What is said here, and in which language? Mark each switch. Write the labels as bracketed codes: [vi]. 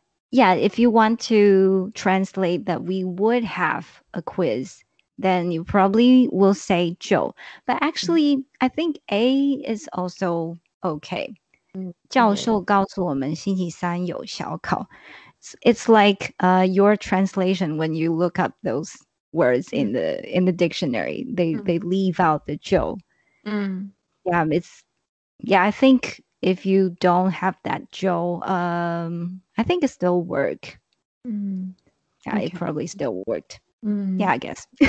[en] Yeah, if you want to translate that we would have a quiz, then you probably will say 就. But actually, I think A is also okay. [zh] 教授告诉我们星期三有小考. [en] It's like your translation when you look up those words in the dictionary. They leave out the 就.I think if you don't have that 就, I think it still worked. It probably still worked. Yeah, I guess.